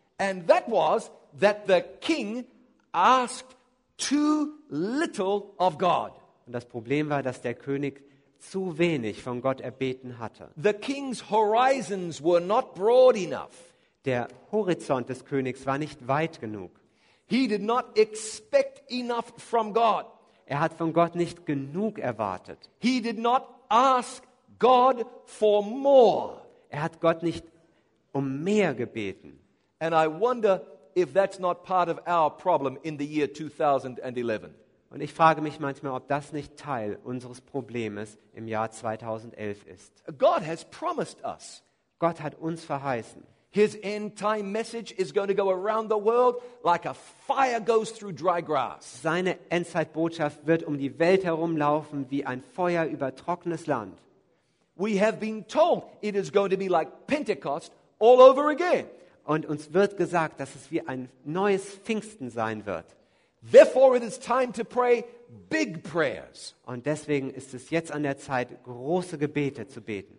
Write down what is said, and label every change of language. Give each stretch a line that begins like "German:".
English: And that was that the king asked too little of God.
German: Und das Problem war, dass der König zu wenig von Gott erbeten hatte.
English: The king's horizons were not broad enough.
German: Der Horizont des Königs war nicht weit genug.
English: He did not expect enough from God.
German: Er hat von Gott nicht genug erwartet.
English: He did not ask God for more.
German: Er hat Gott nicht um mehr gebeten.
English: And I wonder if that's not part of our problem in the year 2011.
German: Und ich frage mich manchmal, ob das nicht Teil unseres Problems im Jahr 2011 ist.
English: God has promised us.
German: Gott hat uns verheißen.
English: His end time message is going to go around the world like a fire goes through dry grass.
German: Seine Endzeitbotschaft wird um die Welt herumlaufen wie ein Feuer über trockenes Land.
English: We have been told it is going to be like Pentecost all over again.
German: Und uns wird gesagt, dass es wie ein neues Pfingsten sein wird.
English: Therefore it is time to pray big prayers.
German: Und deswegen ist es jetzt an der Zeit, große Gebete zu beten.